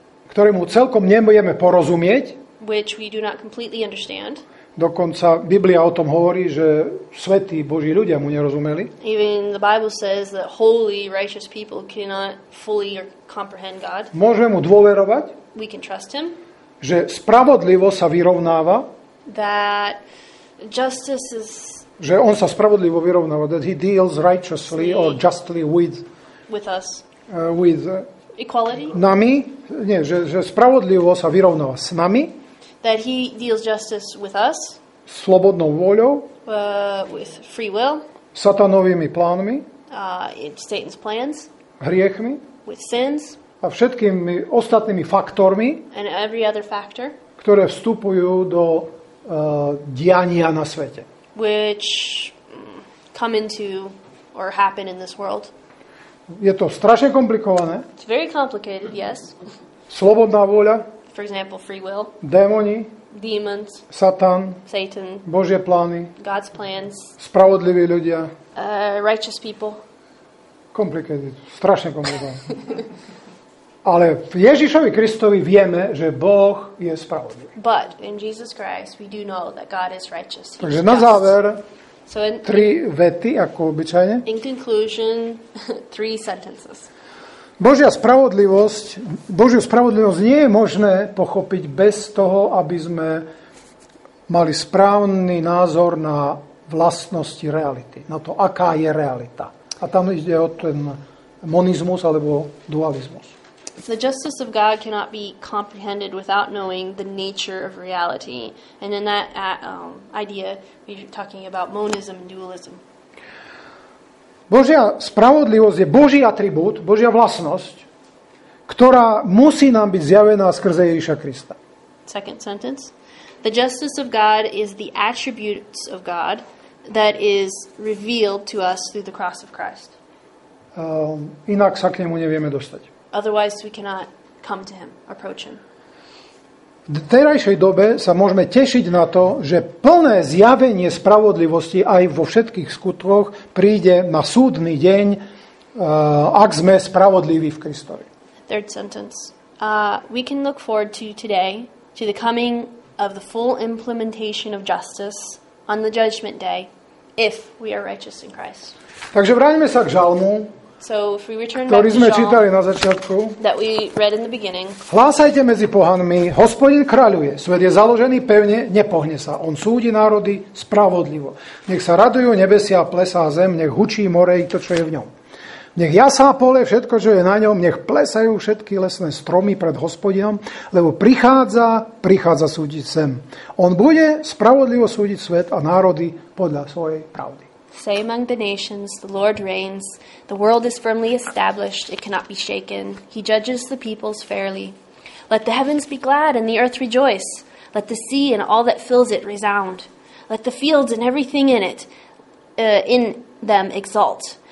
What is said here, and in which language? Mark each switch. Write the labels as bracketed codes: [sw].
[sk] ktorému celkom nemôžeme porozumieť, [en] which we do not completely understand. [sk] Dokonca Biblia o tom hovorí, že svätí Boží ľudia mu nerozumeli. [en] Even the Bible says that holy righteous people cannot fully comprehend God. [sk] Môžeme mu dôverovať, [en] we can trust him, [sk] že spravodlivo sa vyrovnáva, [en] that justice is, [sk] že on sa spravodlivo vyrovnáva, [en] that he deals righteously or justly with us, with equality, [sk] nami, nie, že spravodlivo sa vyrovnáva s nami, [en] that he deals justice with us, [sk] slobodnou voľou, [en] with free will, [sk] satanovými plánmi, [en] Satan's plans, [sk] hriechmi, [en] with sins, [sk] a všetkými ostatnými faktormi, [en] and every other factor, [sk] ktoré vstupujú do diania na svete, [en] which come into or happen in this world. [sk] Je to strašne komplikované. [en] It's very complicated, yes. [sk] Slobodná vôľa. [en] For example, free will. [sk] Démoni. [en] Demons. [sk] Satan. [en] Satan. [sk] Božie plány. [en] God's plans. [sk] Spravodliví ľudia. [en] Righteous people. Complicated. [sk] Strašne komplikované. Ale v Ježišovi Kristovi vieme, že Boh je spravodlivý. [en] But in Jesus Christ we do know that God is righteous. [sk] He's takže na záver tri vety, ako obyčajne. [en] In conclusion, three sentences. [sk] Božiu spravodlivosť nie je možné pochopiť bez toho, aby sme mali správny názor na vlastnosti reality, na to, aká je realita. A tam ide o ten monizmus alebo dualizmus. [en] The justice of God cannot be comprehended without knowing the nature of reality. And in that idea, we're talking about monism and dualism. [sk] Božia spravodlivosť je Boží atribút, Božia vlastnosť, ktorá musí nám byť zjavená skrze Ježíša Krista. [en] Second sentence. The justice of God is the attributes of God that is revealed to us through the cross of Christ. [sk] Inak sa k nemu nevieme dostať. [en] Otherwise we cannot come to him, approach him. [sk] V terajšej dobe sa môžeme tešiť na to, že plné zjavenie spravodlivosti aj vo všetkých skutkoch príde na súdny deň, ak sme spravodliví v Kristovi. [en] Third sentence. We can look forward to today, to the coming of the full implementation of justice on the judgment day, if we are righteous in Christ. [sk] Takže vraťme sa k žalmu. [en] So if we return [sk] ktorý [en] back [sk] sme [en] to [sk] čítali na začiatku. [en] That we read in the beginning. [sk] Hlásajte medzi pohanmi, Hospodin kráľuje, svet je založený pevne, nepohne sa. On súdi národy spravodlivo. Nech sa radujú nebesia, plesá zem, nech hučí more i to, čo je v ňom. Nech jasá pole, všetko, čo je na ňom, nech plesajú všetky lesné stromy pred Hospodinom, lebo prichádza súdiť zem. On bude spravodlivo súdiť svet a národy podľa svojej pravdy. [en] Say among the nations, the Lord reigns. The world is firmly established, it cannot be shaken. He judges the peoples fairly. Let the heavens be glad and the earth rejoice. Let the sea and all that fills it resound. Let the fields and everything in it, in them exult.